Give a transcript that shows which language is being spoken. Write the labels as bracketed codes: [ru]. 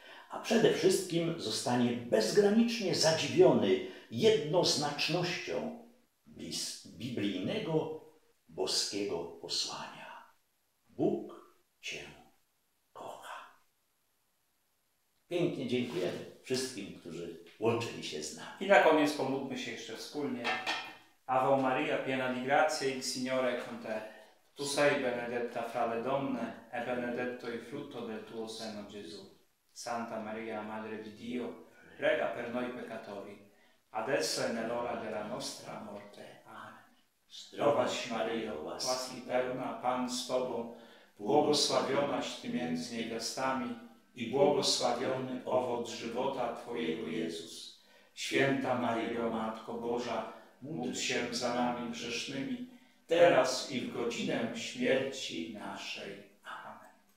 [pl] A przede wszystkim zostanie bezgranicznie zadziwiony jednoznacznością biblijnego boskiego posłania. Bóg cię kocha. Pięknie dziękujemy wszystkim, którzy łączyli się z nami. I na koniec pomódlmy się jeszcze wspólnie. [it] Ave Maria, piena di grazie, il Signore è con te. Tu sei benedetta fra le donne e benedetto il frutto del tuo seno, Gesù. Santa Maria, Madre di Dio, prega per noi peccatori, adesso e nell'ora della nostra morte. Amen. [pl] Zdrowaś Maryjo, łaski pełna, Pan z Tobą, błogosławionaś Ty między niewiastami i błogosławiony owoc żywota Twojego, Jezus. Święta Maryjo, Matko Boża, módl się za nami grzesznymi, teraz i w godzinę śmierci naszej. Amen.